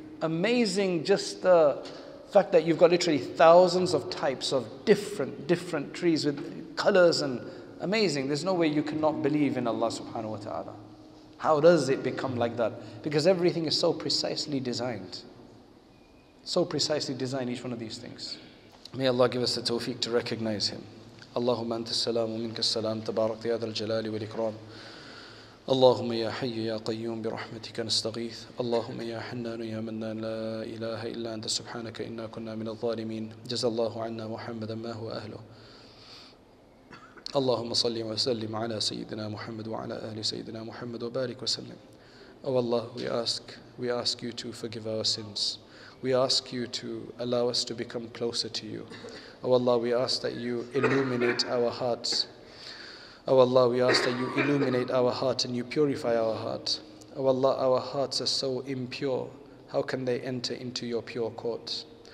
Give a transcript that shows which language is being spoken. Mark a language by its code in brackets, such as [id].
[en] Amazing just the fact that you've got literally thousands of types of different trees with colors, and amazing. There's no way you cannot believe in Allah subhanahu wa ta'ala. How does it become like that? Because everything is so precisely designed. So precisely designed, each one of these things. May Allah give us the tawfiq to recognize Him. [ar] Allahumma anta salam wa minka salam tabarak ya dhal jalali wal ikram. اللهم يا حي يا قيوم برحمتك نستغيث اللهم يا حنان يا منان لا إله إلا أنت سبحانك إنا كنا من الظالمين جزى الله عنا محمدا ما هو أهله اللهم صل وسلم على سيدنا محمد وعلى أهل سيدنا محمد وبارك وسلم [en] Oh Allah, we ask you to forgive our sins. We ask you to allow us to become closer to you. Oh Allah, we ask that you illuminate our hearts. Oh Allah, we ask that you illuminate our heart and you purify our heart. Oh Allah, our hearts are so impure. How can they enter into your pure court?